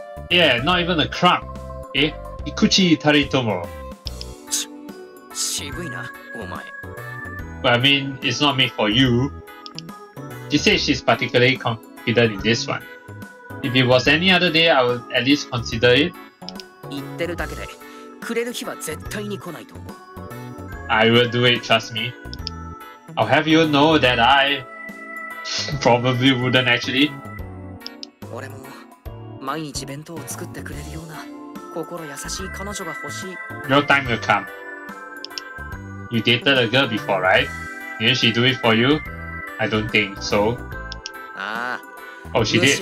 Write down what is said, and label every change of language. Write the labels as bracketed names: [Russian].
[English] Yeah, not even a crumb. Eh? [Japanese] 一口たりとも. Shibui na, omae. [English] But I mean, it's not made for you. She said she's particularly confident in this one. If it was any other day, I would at least consider it. [Japanese] 言ってるだけで、くれる日は絶対に来ないと思う。 [English] I will do it, trust me. I'll have you know that I probably wouldn't actually. [Japanese] 俺も毎日弁当を作ってくれるような心優しい彼女が欲しい。 [English] Your time will come. You dated a girl before, right? Didn't she do it for you? I don't think so. Oh, she did.